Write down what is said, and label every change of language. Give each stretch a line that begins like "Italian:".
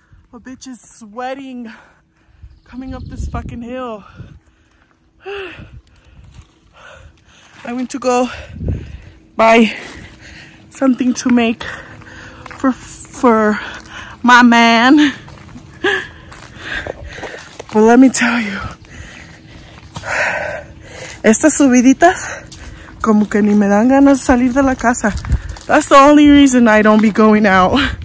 English: My bitch is sweating coming up this fucking hill. I went to go buy something to make for my man. But let me tell you,
Spanish: estas subiditas como que ni me dan ganas de salir de la casa.
English: That's the only reason I don't be going out.